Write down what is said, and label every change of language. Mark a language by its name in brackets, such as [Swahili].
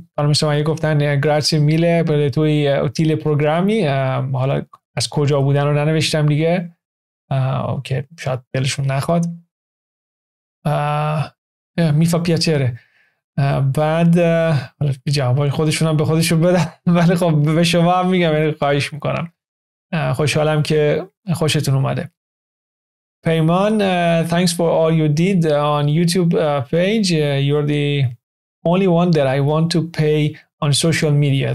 [Persian] خانم سمیه گفتن [Italian] grazie mille per le tue utile programmi. [Persian] حالا از کجا بودن رو ننوشتم دیگه که شاید دلشون نخواد. میفا پیاتره. بعد جوابای خودشون هم به خودشون بدن، ولی خب به شما هم میگم، یعنی خواهش میکنم. خوشحالم که خوشتون اومده. [English] پیمان thanks for all you did on YouTube page. You're the only one that I want to pay on social media.